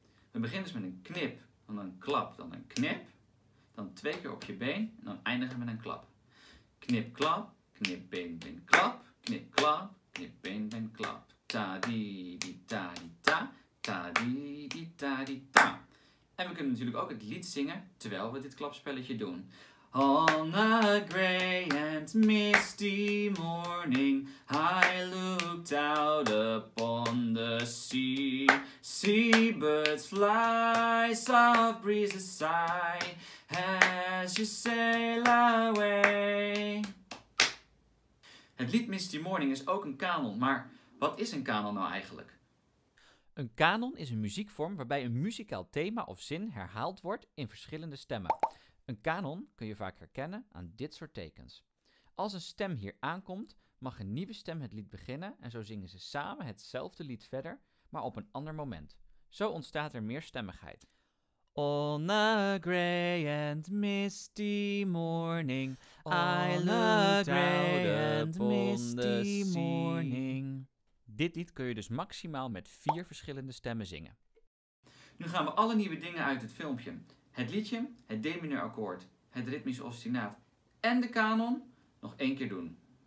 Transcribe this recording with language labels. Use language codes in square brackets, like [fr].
[nl] We beginnen dus met een knip, dan een klap, dan een knip. Dan twee keer op je been en dan eindigen we met een klap. Knip, klap, knip, been, been, klap. Knip, klap, knip, been, been, klap. Ta-di-di-ta-di-ta, ta-di-di-ta-di-ta. En we kunnen natuurlijk ook het lied zingen terwijl we dit klapspelletje doen. [en] On a gray and misty morning, I looked out upon the sea. Seabirds fly, soft breezes sigh, as you sail away. [nl] Het lied Misty Morning is ook een kanon, maar wat is een kanon nou eigenlijk? Een kanon is een muziekvorm waarbij een muzikaal thema of zin herhaald wordt in verschillende stemmen. Een kanon kun je vaak herkennen aan dit soort tekens. Als een stem hier aankomt, mag een nieuwe stem het lied beginnen en zo zingen ze samen hetzelfde lied verder, maar op een ander moment. Zo ontstaat er meer stemmigheid. [en] On a gray and misty morning, I looked out upon the sea. [nl] Dit lied kun je dus maximaal met 4 verschillende stemmen zingen. Nu gaan we alle nieuwe dingen uit het filmpje. Het liedje, het D-mineur akkoord, het ritmische ostinaat en de kanon nog 1 keer doen.